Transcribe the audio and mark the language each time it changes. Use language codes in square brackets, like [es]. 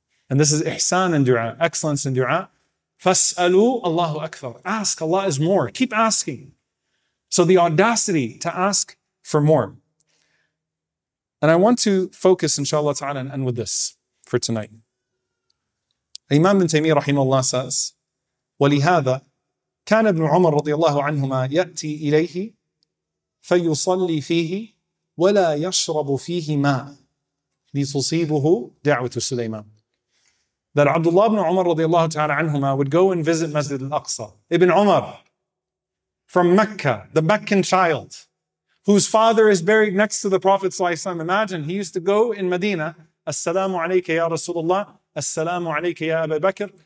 [en] And this is ihsan in dua, excellence in dua. Fas'alu Allahu Akbar. Ask, Allah is more. Keep asking. So the audacity to ask for more. And I want to focus, inshallah ta'ala, and end with this for tonight. [ar] Imam bin Taymiyyah rahimahullah says, وَلِهَذَا كَانَ ابْنُ عُمَرَ رَضِيَ اللَّهُ عَنْهُمَا يَأْتِي إِلَيْهِ فَيُصَلِّي فِيهِ وَلَا يَشْرَبُ فِيهِ مَا لِتُصِيبُهُ دَعْوَةُ سُلَيْمَانَ. [en] That Abdullah ibn Umar رضي الله تعالى عنهما would go and visit Masjid al-Aqsa. Ibn Umar from Mecca, the Meccan child whose father is buried next to the Prophet صلى الله عليه وسلم. Imagine, he used to go in Medina. [ar] As-salamu alayka ya Rasulullah. As-salamu alayka ya Abu Bakr.